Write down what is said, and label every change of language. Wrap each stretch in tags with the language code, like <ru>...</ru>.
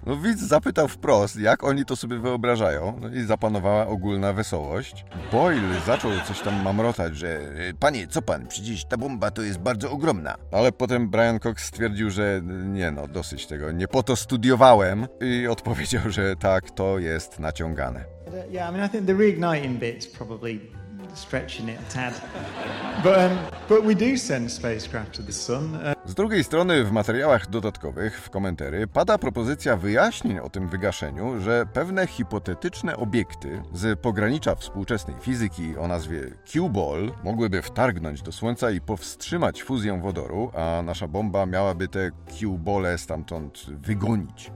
<pl>No widz zapytał wprost, jak oni to sobie wyobrażają, no i zapanowała ogólna wesołość. Boyle zaczął coś tam mamrotać, że panie, co pan, przecież ta bomba to jest bardzo ogromna. Ale potem Brian Cox stwierdził, że nie no, dosyć tego, nie po to studiowałem, i odpowiedział, że tak, to jest naciągane.</pl> <en>Yeah, I mean, I think the reigniting bit's probably stretching it a tad. But we do send spacecraft to the sun.</en> <pl>Z drugiej strony w materiałach dodatkowych, w komentarzy, pada propozycja wyjaśnień o tym wygaszeniu, że pewne hipotetyczne obiekty z pogranicza współczesnej fizyki o nazwie Q-Ball mogłyby wtargnąć do Słońca i powstrzymać fuzję wodoru, a nasza bomba miałaby te Q-Bole stamtąd wygonić.</pl>